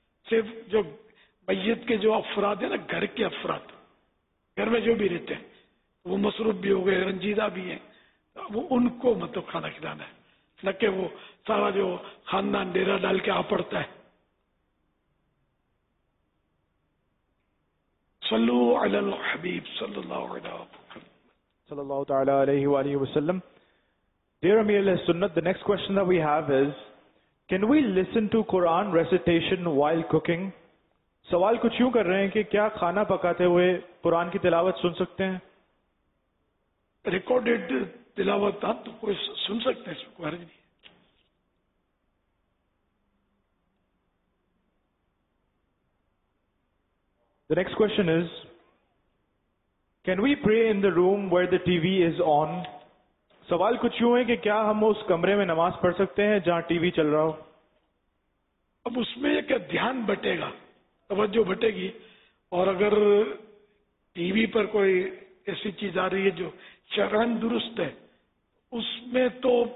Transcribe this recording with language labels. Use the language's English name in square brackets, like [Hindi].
[Urdu] صرف جو میت کے جو افراد ہیں نا گھر کے افراد, گھر میں جو بھی رہتے ہیں وہ مصروف بھی ہو گئے رنجیدہ بھی ہیں, وہ ان کو مطلب کھانا کھلانا ہے, نہ کہ وہ سارا جو خاندان ڈیرا ڈال کے آ پڑتا ہے. [Arabic] صلو علی الحبیب صلی اللہ تعالی علیہ وآلہ وسلم. [English] Dear Amir al-Sunnat, the next question that we have is, can we listen to Quran recitation while cooking? [Urdu] سوال کچھ یوں کر رہے ہیں کہ کیا کھانا پکاتے ہوئے قرآن کی تلاوت سن سکتے ہیں؟ ریکارڈیڈ تلاوت تھا تو کوئی سن سکتے ہیں, اس میں کوئی حرج نہیں. [English] The next question is, can we pray in the room where the TV is on? [Urdu] سوال کچھ یوں ہے کہ کیا ہم اس کمرے میں نماز پڑھ سکتے ہیں جہاں ٹی وی چل رہا ہو؟ اب اس میں کیا دھیان بٹے گا, توجہ بٹے گی, اور اگر ٹی وی پر کوئی ایسی چیز آ رہی ہے جو شرعاً درست ہے اس میں تو